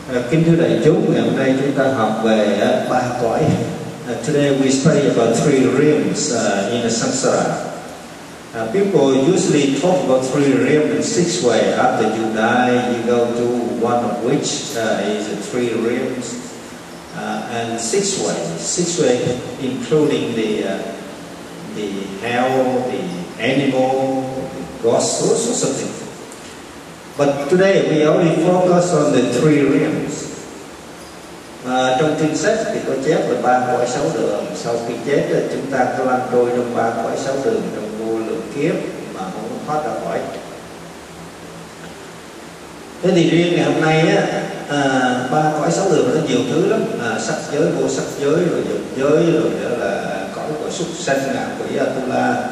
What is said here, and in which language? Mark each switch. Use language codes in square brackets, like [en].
[vi] Kính thưa đại chúng, ngày hôm nay chúng ta học về ba cõi. [en] Today we study about three realms in the samsara. People usually talk about three realms in six ways. After you die, you go to one of which is three realms. And six ways including the hell, the animal, the ghost, or something. But today we only focus on the three realms. [vi] Trong kinh sách thì có chép là ba cõi sáu đường. Sau khi chết chúng ta có lăn trôi trong ba cõi sáu đường trong vô lượng kiếp mà không thoát ra khỏi. Thế thì riêng ngày hôm nay ba cõi sáu đường nó nhiều thứ lắm, sắc giới, vô sắc giới, rồi dục giới, rồi nữa là cõi của súc sanh, ngạ quỷ, atula.